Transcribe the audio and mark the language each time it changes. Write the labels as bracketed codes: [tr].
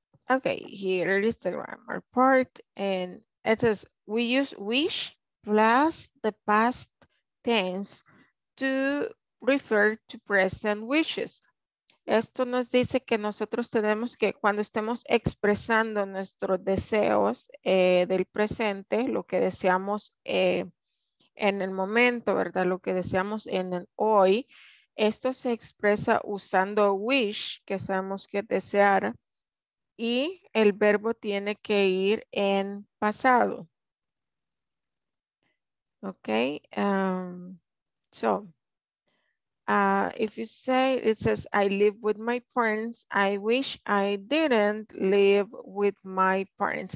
[en] Okay, here is the grammar part, and it says we use wish plus the past tense to refer to present wishes. [es] Esto nos dice que nosotros tenemos que, cuando estemos expresando nuestros deseos del presente, lo que deseamos en el momento, ¿verdad? Lo que deseamos en el hoy, esto se expresa usando wish, que sabemos que desear, y el verbo tiene que ir en pasado. [en] Okay, if you say, it says, I live with my parents, I wish I didn't live with my parents.